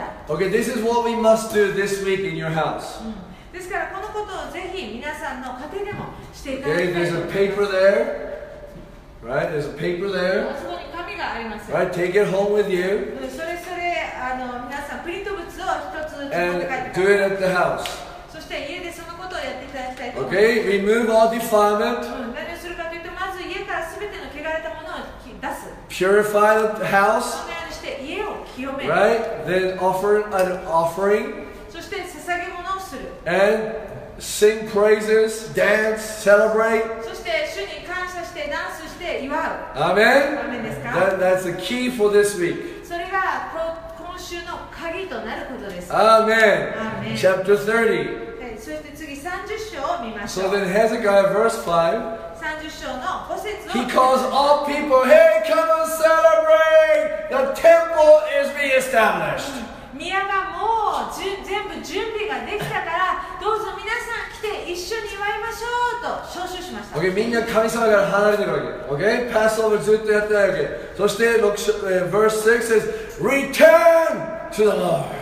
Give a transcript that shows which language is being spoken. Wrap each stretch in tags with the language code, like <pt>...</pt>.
<en>Okay, this is what we must do this week in your house.</en> <ja>ですからこのことをぜひ皆さんの家庭でもしていただきたい。</ja> <en>Okay, there's a paper there. Right, there's a paper there.</en> <ja>あそこに紙があります。</ja> <en>Right, take it home with you.</en> <ja>それあの皆さんプリント物を一つ持って帰ってください。</ja> <en>And do it at the house.</en> <ja>そして家でそのことをやっていただきたいと思います。</ja> <en>Okay, remove all defilement.</en> <ja>何をするかというと、まず家からすべての汚れたものを出す。</ja> <en>Purify the house. Right? Then offer an offering.</en> <ja>そして捧げ物をする。</ja> <en>And sing praises, dance, celebrate.</en> <ja>そして主に感謝してダンスして祝う。</ja> <en>Amen?</en> <ja>Amen ですか?</ja> <en>That's the key for this week.</en> <ja>それが今週の鍵となることです。</ja> <en>Amen. Amen. Chapter 30.</en> <ja>そして次30章を見ましょう。</ja> <en>So then Hezekiah, verse 5.</en> <ja>30章の5節を。</ja> <en>He calls all people, hey, come and celebrate! The temple is reestablished.</en> <ja>宮がもう全部準備ができたから、どうぞ皆さん来て一緒に祝いましょうと招集しました。 Okay, みんな神様から離れてるわけ。Okay, Passover ずっとやってないわけ。そして</ja> <en>verse 6 says, Return to the Lord.</en>